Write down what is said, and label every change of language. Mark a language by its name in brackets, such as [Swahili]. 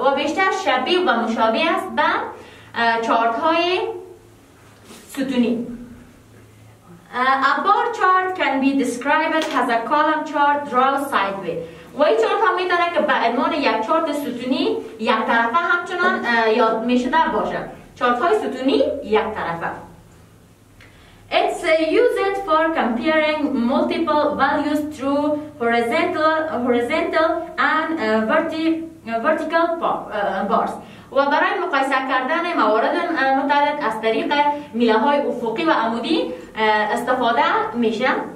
[Persian] و بیشتر شبیه و مشابه است به چارت های ستونی. [English] A bar chart can be described as a column chart drawn sideways. [Persian] و این چارت هم میتونه که به عنوان یک چارت ستونی یک طرفه همچنان یاد میشه در باشه. چارت های ستونی یک طرفه. [English] It's used for comparing multiple values through horizontal and vertical bars. [Persian] و برای مقایسه کردن موارد متعدد از طریق میله های افقی و عمودی استفاده میشه.